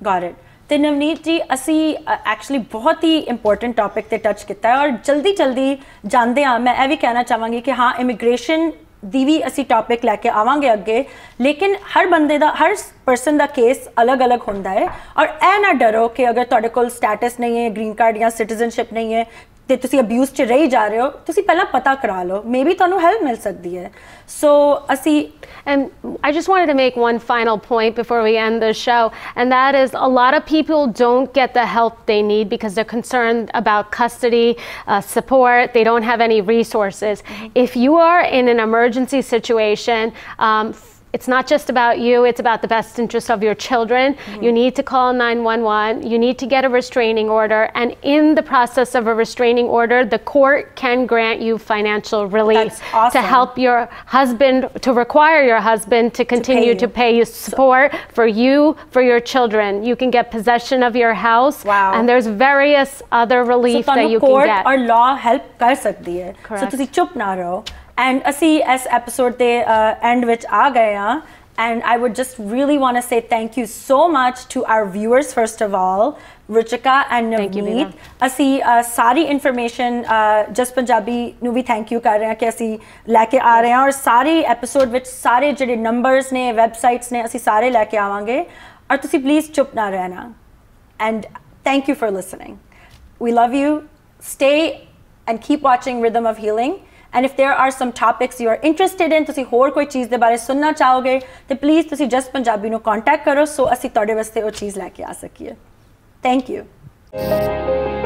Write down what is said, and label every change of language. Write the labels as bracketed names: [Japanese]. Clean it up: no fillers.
[English] got it [Punjabi] ਅਤੇ ਨਵਨੀਤ ਜੀ ਅਸੀਂ ਐਕਚੁਅਲੀ ਬਹੁਤ ਹੀ ਇੰਪੋਰਟੈਂਟ ਟੋਪਿਕ 'ਤੇ ਟੱਚ ਕੀਤਾ ਹੈ ਔਰ ਜਲਦੀ ਜਲਦੀ ਜਾਂਦੇ ਹਾਂ ਮੈਂ ਇਹ ਵੀ ਕਹਿਣਾ ਚਾਹਾਂਗੀ ਕਿ ਹਾਂ ਇਮੀਗ੍ਰੇਸ਼ਨ ਦੀ ਵੀ ਅਸੀਂ ਟੋਪਿਕ ਲੈ ਕੇ ਆਵਾਂਗੇ ਅੱਗੇ ਲੇਕਿਨ ਹਰ ਬੰਦੇ ਦਾ ਹਰ ਪਰਸਨ ਦਾ ਕੇਸ ਅਲੱਗ ਅਲੱਗ ਹੁੰਦਾ ਹੈ ਔਰ ਇਹ ਨਾ ਡਰੋ ਕਿ ਅਗਰ ਤੁਹਾਡੇ ਕੋਲ ਸਟੇਟਸ ਨਹੀਂ ਹੈ ਗ੍ਰੀਨ ਕਾਰਡ ਜਾਂ ਸਿਟੀਜ਼ਨਸ਼ਿਪ ਨਹੀਂ ਹੈ ਅਤੇ ਤੁਸੀਂ ਅਬਿਊਜ਼ 'ਚ ਰਹੀ ਜਾ ਰਹੇ ਹੋ ਤੁਸੀਂ ਪਹਿਲਾਂ ਪਤਾ ਕਰਾ ਲਓ ਮੇ ਬੀ ਤੁਹਾਨੂੰ ਹੈਲਪ ਮਿਲ ਸਕਦੀ ਹੈ ਸੋ ਅਸੀਂ [English] And I just wanted to make one final point before we end the show, and that is a lot of people don't get the help they need because they're concerned about custody, support, they don't have any resources. If you are in an emergency situation, it's not just about you, it's about the best interest of your children. Mm-hmm. You need to call 911, you need to get a restraining order, and in the process of a restraining order, the court can grant you financial relief. That's awesome. To help your husband, to require your husband to continue to pay you support for you, for your children. You can get possession of your house, wow. And there's various other relief so that you can get. So, court or law help [Punjabi] kar sakdi hai. [English] Correct. [Punjabi] So, tusi chup na raho. And ਅਸੀਂ ਇਸ episode ਦੇ and ਵਿੱਚ ਆ ਗਏ ਹਾਂ [English] and I would just really want to say thank you so much to our viewers first of all [Punjabi] ਰੁਚਿਕਾ and Navneet ਅਸੀਂ ਸਾਰੀ information just Punjabi ਨੂੰ ਵੀ thank you ਕਰ ਰਹੇ ਹਾਂ ਕਿ ਅਸੀਂ ਲੈ ਕੇ ਆ ਰਹੇ ਹਾਂ ਔਰ ਸਾਰੇ ਐਪੀਸੋਡ ਵਿੱਚ ਸਾਰੇ ਜਿਹੜੇ ਨੰਬਰਸ ਨੇ ਵੈਬਸਾਈਟਸ ਨੇ ਅਸੀਂ ਸਾਰੇ ਲੈ ਕੇ ਆਵਾਂਗੇ ਔਰ ਤੁਸੀਂ ਪਲੀਜ਼ ਚੁੱਪ ਨਾ ਰਹਿਣਾ and [English] Thank you for listening. We love you. Stay and keep watching Rhythm of Healing. And if there are some topics you are interested in, [Punjabi] ਤੁਸੀਂ ਹੋਰ ਕੋਈ ਚੀਜ਼ ਦੇ ਬਾਰੇ ਸੁਣਨਾ ਚਾਹੋਗੇ, ਤੇ ਪਲੀਜ਼ ਤੁਸੀਂ ਜਸਟ ਪੰਜਾਬੀ ਨੂੰ ਕੰਟੈਕਟ ਕਰੋ, ਸੋ ਅਸੀਂ ਤੁਹਾਡੇ ਵਾਸਤੇ ਉਹ ਚੀਜ਼ ਲੈ ਕੇ ਆ ਸਕੀਏ. Thank you.